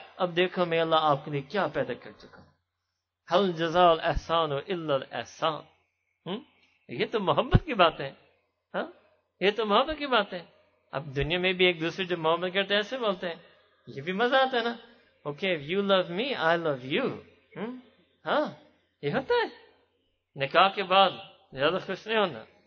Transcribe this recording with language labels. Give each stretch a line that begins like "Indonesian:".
Urdu: اب دیکھو میں اللہ آپ کے لیے کیا پیدا کر چکا ہوں.
Arabic: حل جزا الاحسان الا الاحسان.
Urdu: یہ تو محبت کی بات ہے, یہ تو محبت کی بات ہے. اب دنیا میں بھی ایک دوسرے جو محبت کرتے ہیں ایسے بولتے ہیں, یہ بھی مزہ آتا ہے نا.
English: Okay, if you love me, I love you.
Urdu: یہ ہوتا ہے نکاح کے بعد زیادہ خوش نہیں ہونا.